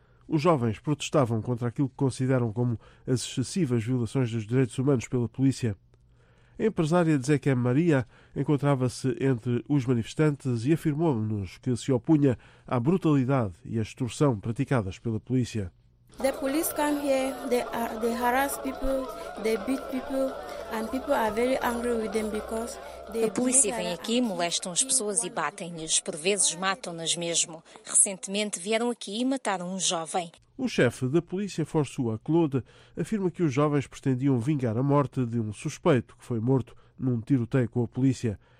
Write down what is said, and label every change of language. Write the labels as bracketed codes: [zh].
[pt] Os jovens protestavam contra aquilo que consideram como as excessivas violações dos direitos humanos pela polícia. A empresária de Zeca Maria encontrava-se entre os manifestantes e afirmou-nos que se opunha à brutalidade e à extorsão praticadas pela polícia. [en] The police come here, they harass people, they beat people, and people are very angry with them because [pt] a polícia vem aqui, molestam as pessoas e batem-lhes, por vezes matam-nas mesmo. Recentemente vieram aqui e mataram um jovem. O chefe da polícia, François Claude, afirma que os jovens pretendiam vingar a morte de um suspeito que foi morto num tiroteio com a polícia.